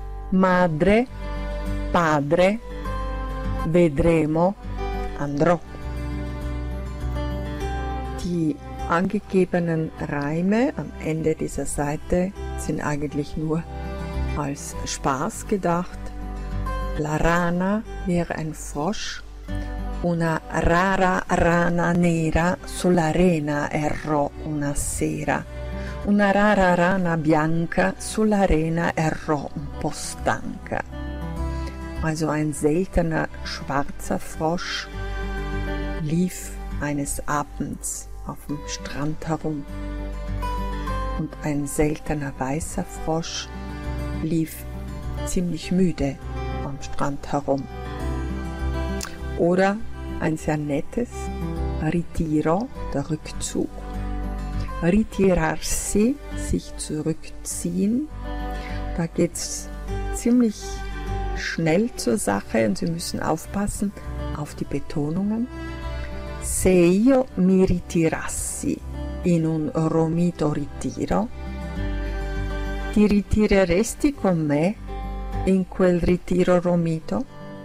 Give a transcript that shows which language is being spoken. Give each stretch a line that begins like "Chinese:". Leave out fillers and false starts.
Italian: Madre, padre, vedremo, andrò.
German: Die angegebenen Reime am Ende dieser Seite sind eigentlich nur als Spaß gedacht. La rana wäre ein Frosch.
Italian: Una rara rana nera sull'arena errò una sera. Una rara rana bianca sull'arena errò un po' stanca.
German: Also ein seltener schwarzer Frosch lief eines Abends auf dem Strand herum. Und ein seltener weißer Frosch lief ziemlich müde am Strand herum. Oder ein sehr nettes Ritiro, der Rückzug. Ritirarsi, sich zurückziehen. Da geht es ziemlich schnell zur Sache und Sie müssen aufpassen auf die Betonungen.
Italian: Se io mi ritirassi in un romito ritiro, ti ritireresti con me in quel ritiro romito?